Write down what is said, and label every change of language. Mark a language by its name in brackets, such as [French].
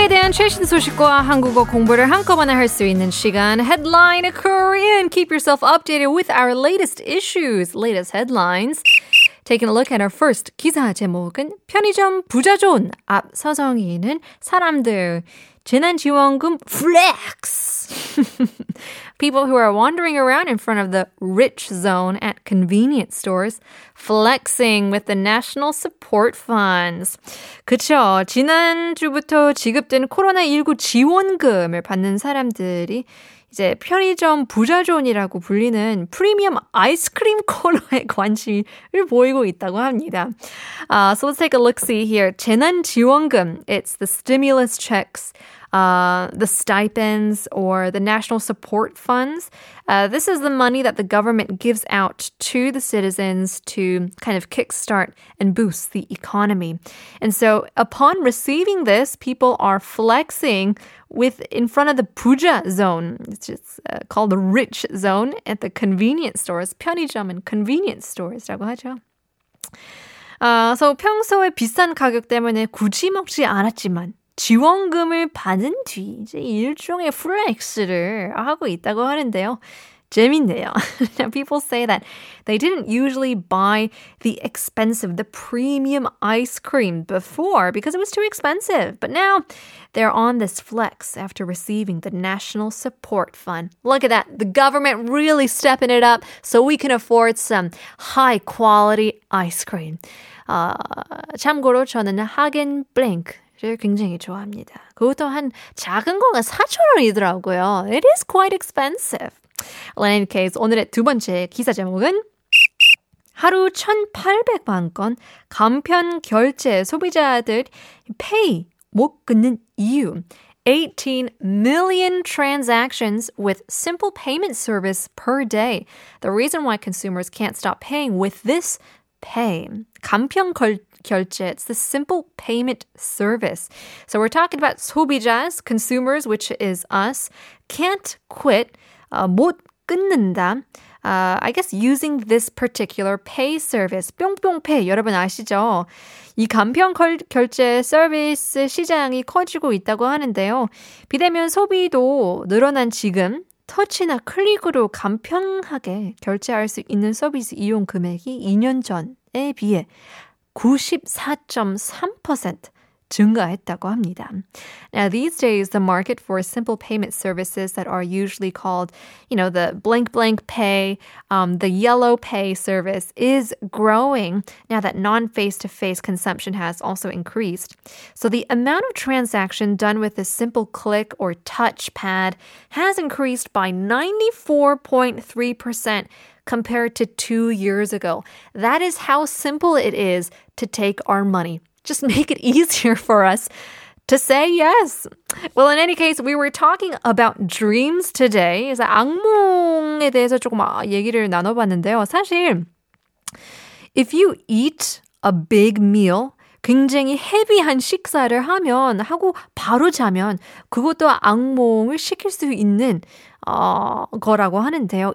[Korean] 최신 소식과 한국어 공부를 한꺼번에 할 수 있는 시간 Headline Korean. [English] Keep yourself updated with our latest issues, latest headlines. Taking a look at our first [Korean] 기사 제목은 편의점 부자존 앞 서성이는 사람들 재난지원금 flex. [English] People who are wandering around in front of the rich zone at convenience stores flexing with the national support funds. [Korean] 그쵸. 지난주부터 지급된 코로나19 지원금을 받는 사람들이 이제 편의점 부자존이라고 불리는 프리미엄 아이스크림 코너에 관심을 보이고 있다고 합니다. [English] So let's take a look-see here. [Korean] 재난지원금, [English] it's the stimulus checks, the stipends, or the national support funds. This is the money that the government gives out to the citizens to kind of kickstart and boost the economy. And so upon receiving this, people are flexing with in front of the 부자 zone, which is called the rich zone at the convenience stores, 편의점 and convenience stores, [Korean] 라고 하죠. [English] So [Korean] 평소에 비싼 가격 때문에 굳이 먹지 않았지만 지원금을 받은 뒤 이제 일종의 플렉스를 하고 있다고 하는데요. 재밌네요. [English] Now, people say that they didn't usually buy the expensive, the premium ice cream before because it was too expensive. But now they're on this flex after receiving the national support fund. Look at that. The government really stepping it up so we can afford some high quality ice cream. [Korean] 참고로 저는 하겐 블랭크. 굉장히 좋아합니다. 그것도 한 작은 거가 4천 원이더라고요. [English] It is quite expensive. Well, in any case, [Korean] 오늘의 두 번째 기사 제목은 하루 1,800만 건 간편 결제 소비자들 pay 못 끊는 이유 [English] 18 million transactions with simple payment service per day. The reason why consumers can't stop paying with this pay. [Korean] 간편 결제 결제. [English] It's the simple payment service. So we're talking about 소비자s, consumers, which is us, can't quit, [Korean] 못 끊는다. [English] I guess using this particular pay service, [Korean] 뿅뿅페이, 여러분 아시죠? 이 간편 결제 서비스 시장이 커지고 있다고 하는데요. 비대면 소비도 늘어난 지금, 터치나 클릭으로 간편하게 결제할 수 있는 서비스 이용 금액이 2년 전에 비해 94.3% 증가했다고 합니다. [English] Now, these days, the market for simple payment services that are usually called, you know, the blank blank pay, the yellow pay service is growing now that non-face-to-face consumption has also increased. So the amount of transaction done with a simple click or touchpad has increased by 94.3% compared to 2 years ago. That is how simple it is to take our money. Just make it easier for us to say yes. Well, in any case, we were talking about dreams today. [Korean] 악몽에 대해서 조금 얘기를 나눠봤는데요. 사실, [English] if you eat a big meal, [Korean] 굉장히 헤비한 식사를 하면 하고 바로 자면 그것도 악몽을 시킬 수 있는 거라고 하는데요.